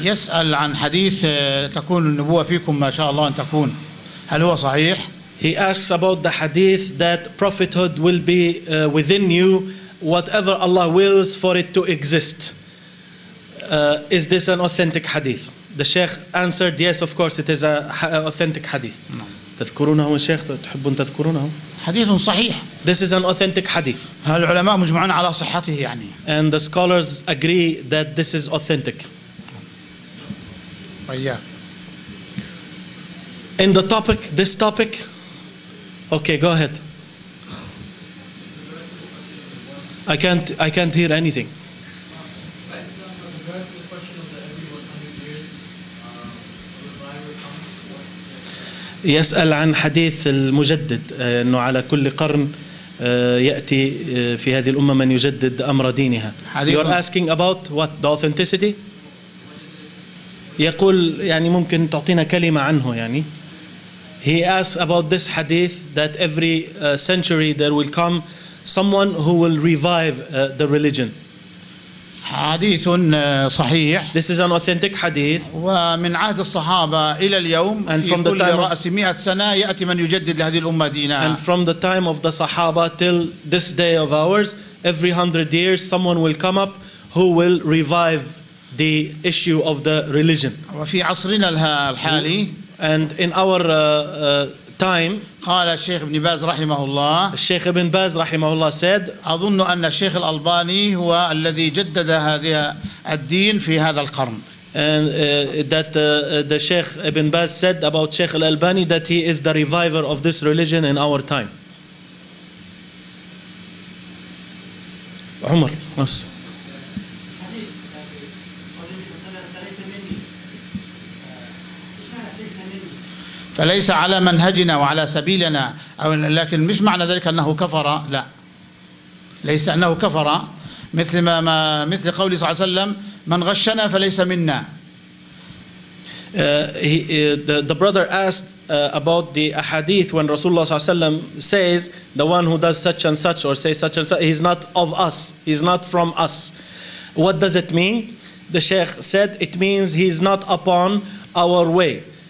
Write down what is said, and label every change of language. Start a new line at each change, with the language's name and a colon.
Arabic: يسأل عن حديث تكون النبوة فيكم ما شاء الله أن تكون. هل هو صحيح؟
English: He asks about the hadith that prophethood will be within you whatever Allah wills for it to exist. Is this an authentic hadith? The Sheikh answered yes, of course it is an authentic hadith.
Arabic: تذكرونه يا شيخ؟ تحبون تذكرونه؟ حديث صحيح.
English: This is an authentic hadith.
Arabic: هل العلماء مجمعون على صحته يعني؟
English: And the scholars agree that this is authentic.
Arabic: طيب.
English: In the topic, this topic. Okay, go ahead. I can't hear anything.
Arabic: يسأل عن حديث المجدد أنه على كل قرن يأتي في هذه الأمة من يجدد أمر دينها.
English: You're asking about what? The authenticity?
Arabic: يقول يعني ممكن تعطينا كلمة عنه يعني.
English: He asks about this hadith that every century there will come someone who will revive the religion.
Arabic: حديث صحيح.
English: This is an authentic hadith.
Arabic: ومن عهد الصحابة إلى اليوم في كل رأس 100 سنة يأتي من يجدد لهذه الأمة دينها.
English: And from the time of the Sahaba till this day of ours, every 100 years someone will come up who will revive the issue of the religion.
Arabic: وفي عصرنا الحالي.
English: And in our time.
Arabic: قال الشيخ ابن باز رحمه الله. الشيخ ابن باز رحمه الله
English: said.
Arabic: أظن أن الشيخ الألباني هو الذي جدد هذه الدين في هذا القرن.
English: And that the Sheikh Ibn Baz said about Sheikh Al-Albani that he is the reviver of this religion in our time.
Arabic: عمر. فليس على منهجنا وعلى سبيلنا أو لكن مش معنى ذلك أنه كفر لا ليس أنه كفر مثل ما مثل قول صلى الله عليه وسلم من غشنا فليس منا.
English: The brother asked about the ahadith when Rasulullah
Arabic: صلى الله عليه وسلم
English: says the one who does such and such or says such and such he's not of us he's not from us. What does it mean? The Sheikh said it means he's not upon our way.